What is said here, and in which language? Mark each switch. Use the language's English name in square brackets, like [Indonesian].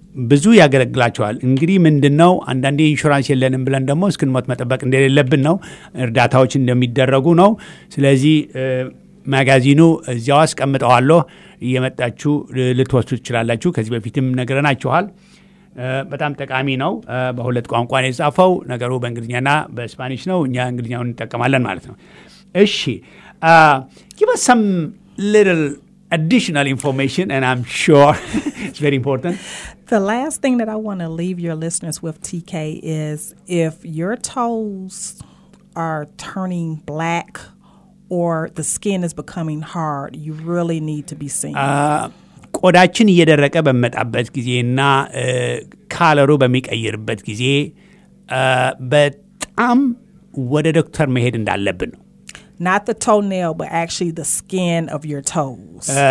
[Amharic] ብዙ ያገለግላችኋል። እንግዲህ ምንድነው አንዳንዴ ኢንሹራንስ የለንም ብለን ደሞ እስክንሞት መጠበቅ እንደሌለብን ነው እርዳታዎች እንደሚደረጉ ነው። ስለዚህ ማጋዚኑ እዚያው አስቀምጣዋለሁ እየመጣችሁ ልትወስዱ ትችላላችሁ። ከዚህ በፊትም ነገረናችኋል በጣም ተቃሚ ነው በሁለት ቋንቋ ነው የጻፈው ነገሩ በእንግሊኛና በስፓኒሽ ነው እኛ እንግሊኛውን እንጠቀማለን ማለት ነው። እሺ [English] give us some little additional information, and I'm sure it's very important. The last thing that I want to leave your listeners with, TK, is if your toes are turning black or the skin is becoming hard, you really need to be seen. [Amharic] ቆዳችን እየደረቀ በመጣበት ጊዜና ካለሩ በሚቀየርበት ጊዜ በጣም ወደ ዶክተር መሄድ እንዳለብን ነው። [English] Not the toenail, but actually the skin of your toes.